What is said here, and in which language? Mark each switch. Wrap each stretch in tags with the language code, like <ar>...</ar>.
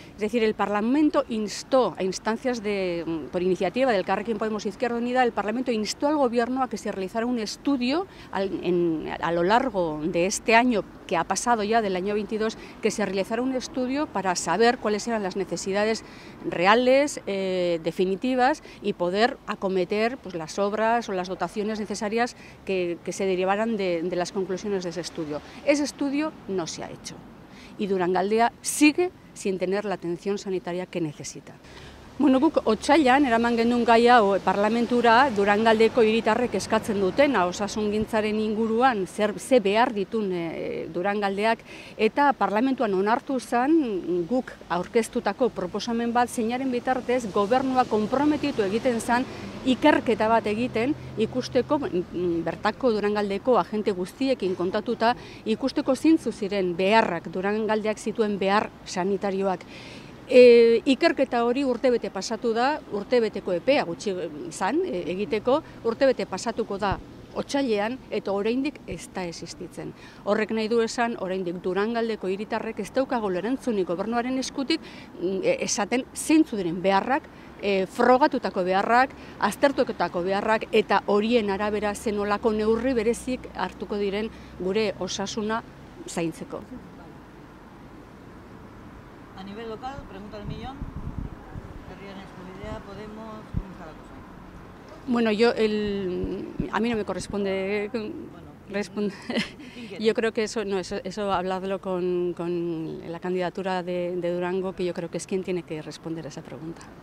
<es>Es decir, el Parlamento instó a instancias de, por iniciativa del Carrequín Podemos Izquierda Unida, el Parlamento instó al Gobierno a que se realizara un estudio a lo largo de este año, que ha pasado ya del año 22, que se realizara un estudio para saber cuáles eran las necesidades reales, definitivas, y poder acometer pues, las obras o las dotaciones necesarias que se derivaran de las conclusiones de ese estudio. Ese estudio no se ha hecho y Durangaldea sigue sin tener la atención sanitaria que necesita.</es> <eu>Bueno, guk otsailan eraman genuen gai hau parlamentura Durangaldeko hiritarrek eskatzen dutena osasungintzaren inguruan ze behar ditun Durangaldeak, eta parlamentuan onartu zen guk aurkeztutako proposamen bat, zeinaren bitartez gobernua konprometitu egiten zen ikerketa bat egiten, ikusteko bertako Durangaldeko agente guztiekin kontatuta, ikusteko zintzu ziren beharrak, Durangaldeak zituen behar sanitarioak. Ikerketa hori urtebete pasatu da, urtebeteko epea gutxi izan egiteko, urtebete pasatuko da otsailean, eta oraindik ez da existitzen. Horrek nahi du esan, oraindik Durangaldeko hiritarrek ez daukago erantzunik gobernuaren eskutik, esaten zeintzu diren beharrak, frogatutako beharrak, aztertutako beharrak, eta horien arabera zenolako neurri berezik hartuko diren gure osasuna zaintzeko.</eu> <es>A nivel local, pregunta del millón, ¿querrían exclusividad? ¿Podemos comenzar a Bueno, yo, el, a mí no me corresponde bueno, responder. Yo creo que eso hablarlo con la candidatura de Durango, que yo creo que es quien tiene que responder a esa pregunta.</es>